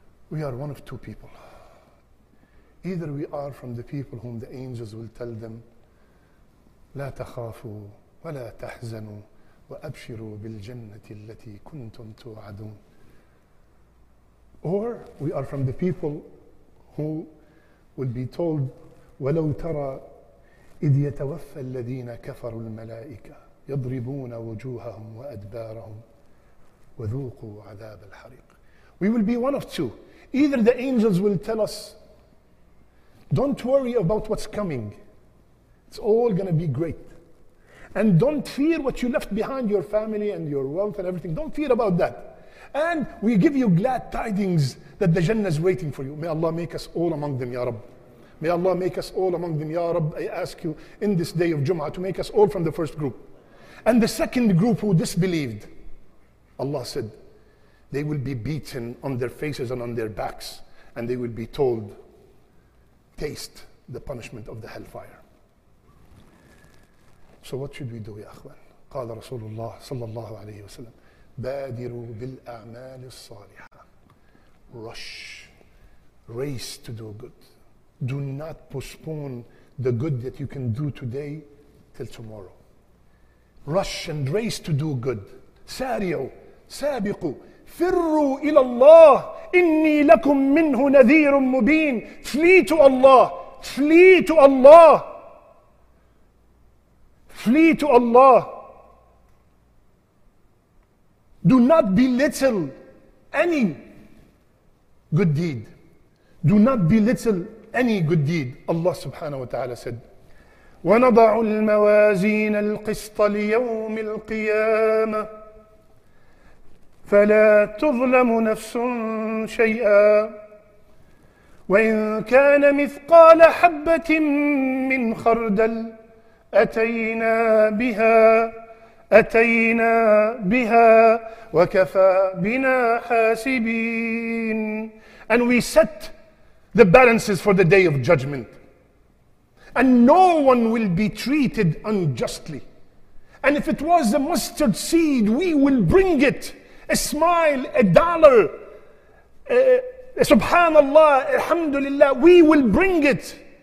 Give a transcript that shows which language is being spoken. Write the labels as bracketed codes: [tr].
[en] We are one of two people. Either we are from the people whom the angels will tell them, [ar] لا تخافوا ولا تحزنوا وأبشروا بالجنة التي كنتم توعدون. [en] Or we are from the people who would be told, [ar] وَلَوْ تَرَى إِذْ يَتَوَفَّى الَّذِينَ كَفَرُوا الْمَلَائِكَةِ يَضْرِبُونَ وُجُوهَهُمْ وَأَدْبَارَهُمْ وَذُوقُوا عَذَابَ الْحَرِيقِ. [en] We will be one of two. Either the angels will tell us, don't worry about what's coming. It's all going to be great. And don't fear what you left behind, your family and your wealth and everything. Don't fear about that. And we give you glad tidings that the Jannah is waiting for you. May Allah make us all among them, Ya Rabb. May Allah make us all among them, Ya Rabb. I ask you in this day of Jum'ah to make us all from the first group. And the second group who disbelieved, Allah said, they will be beaten on their faces and on their backs, and they will be told, taste the punishment of the hellfire. So what should we do, Ya Akhwan? Qala Rasulullah sallallahu alayhi wa sallam, [ar] بادروا بالأعمال الصالحة. [en] Rush, race to do good. Do not postpone the good that you can do today till tomorrow. Rush and race to do good. [ar] ساريوا, سابقوا, فروا إلى الله, إني لكم منه نذير مبين. [en] Flee to Allah, flee to Allah, flee to Allah. Do not belittle any good deed. Do not belittle any good deed. Allah subhanahu wa ta'ala said, [ar] وَنَضَعُ الْمَوَازِينَ الْقِسْطَ لِيَوْمِ الْقِيَامَةِ فَلَا تُظْلَمُ نَفْسٌ شَيْئًا وَإِنْ كَانَ مِثْقَالَ حَبَّةٍ مِّنْ خَرْدَلٍ أَتَيْنَا بِهَا أتينا بها وكفى بنا حاسبين. [en] And we set the balances for the day of judgment. And no one will be treated unjustly. And if it was a mustard seed, we will bring it. A smile, a dollar. Subhanallah, alhamdulillah, we will bring it.